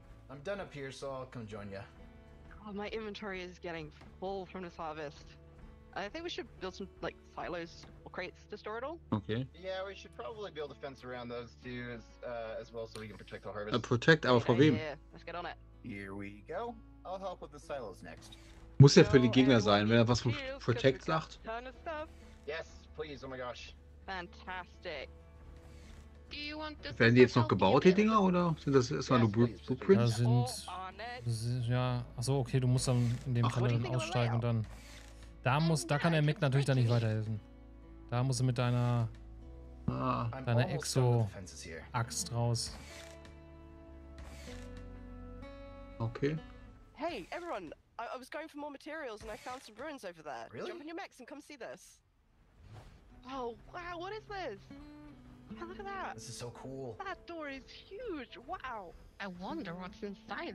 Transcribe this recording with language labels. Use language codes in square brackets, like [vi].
[en] I'm done up here, so I'll come join ya. Oh, my inventory is getting full from this harvest. I think we should build some, like, silos or crates to store it all. Okay. Yeah, we should probably build a fence around those two as well so we can protect the harvest. Protect our for wem? Yeah, let's get on it. Here we go. I'll help with the silos next. [de] Muss ja für die Gegner sein, wenn was von Protect sagt. [en] Yes, please, oh my gosh. Fantastic. [de] Werden die jetzt noch gebaut, die Dinger, oder sind das erstmal nur Blueprints? Ja, sind, ja, achso, okay, du musst dann in dem Fall dann aussteigen und dann, da kann der Mech natürlich dann nicht weiterhelfen. Da musst du mit deiner Exo-Axt raus. Okay. [en] Hey, everyone, I was going for more materials and I found some ruins over there. Really? Jump in your mechs and come see this. Oh, wow, what is this? Look at that. This is so cool. That door is huge. Wow. I wonder what's inside.